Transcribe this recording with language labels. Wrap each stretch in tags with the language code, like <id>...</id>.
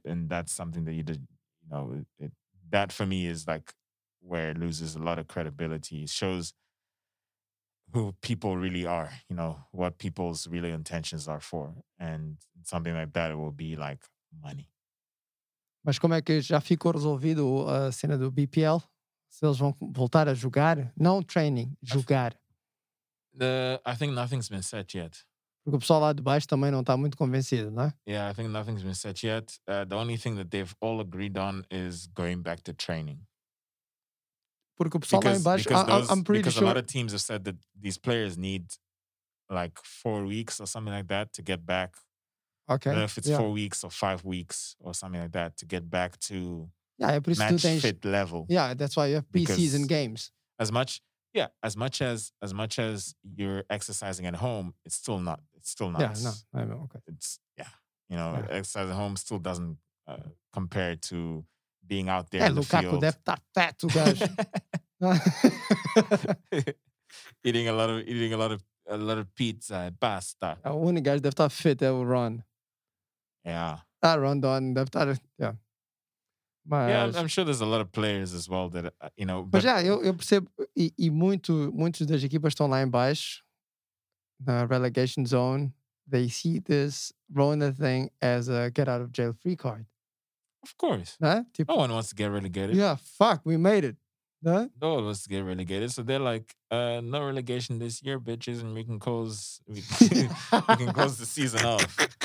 <en>And that's something that you did, you know, that for me is like where it loses a lot of credibility. It shows who people really are, you know, what people's really intentions are for. And something like that, it will be like money.</en> <pt>Mas como é que já ficou resolvido a cena do BPL? Se eles vão voltar a jogar? Não training, jogar.</pt> <en>I think nothing's been set yet.</en> <pt>Porque o pessoal lá de baixo também não está muito convencido, não é?</pt> <en>Yeah, I think nothing's been set yet. The only thing that they've all agreed on is going back to training.</en> <pt>Porque o pessoal</pt> <en>because,</en> <pt>lá em baixo...</pt> <en>Because a lot of teams have said that these players need like 4 weeks or something like that to get back. Okay. I don't know if it's 4 weeks or 5 weeks or something like that to get back to match fit level. Yeah, that's why you have preseason games. As much as you're exercising at home, it's still not. Yeah, no. I mean, okay. It's you know, yeah. Exercise at home still doesn't compare to being out there in Lukaku, the field.</en> <pt>Deve estar</pt> <en>fat,</en> <pt>tu gajo.</pt> <en>eating a lot of pizza and pasta.</en> <pt>O único gajo deve estar fit é o Ron.</pt> <en>Yeah. I'm sure there's a lot of players as well that you know. But</en> <pt>yeah, eu percebo e muitos das equipas estão lá embaixo na</pt> <en>relegation zone. They see this Rona thing as a get out of jail free card. Of course.</en> <pt>Né?</pt> <en>Tipo, no one wants to get relegated. Yeah, fuck, we made it.</en> <pt>Né?</pt> <en>No one wants to get relegated. So they're like, no relegation this year, bitches, and we can close the season off.</en>